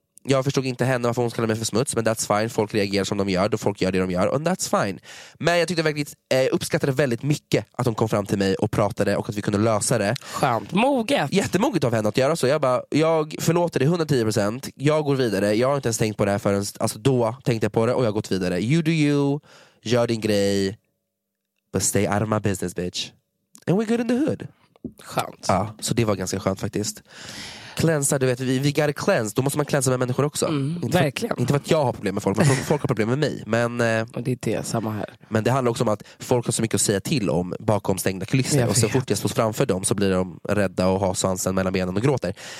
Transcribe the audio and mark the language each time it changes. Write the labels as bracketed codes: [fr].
[sv] Jag förstod inte henne, varför hon kallade mig för smuts. Men that's fine, folk reagerar som de gör, då folk gör det de gör, and that's fine. Men jag tyckte verkligen, uppskattade väldigt mycket att hon kom fram till mig och pratade och att vi kunde lösa det. Skönt, moget. Jättemoget av henne att göra så. Jag bara, jag förlåter dig 110%, jag går vidare. Jag har inte ens tänkt på det här förrän, alltså då tänkte jag på det och jag har gått vidare. [en] You do you, gör din grej, but stay out of my business bitch, and we're good in the hood. [sv] Skönt. Ja, så det var ganska skönt faktiskt. Klänsa, du vet, vi gotta cleanse. Då måste man klänsa med människor också. Inte för att jag har problem med folk, men folk har problem med mig. Men, och det är det, samma här. Men det handlar också om att folk har så mycket att säga till om bakom stängda kulisser. Och så fort jag slås framför dem så blir de rädda och har svansen mellan benen och gråter.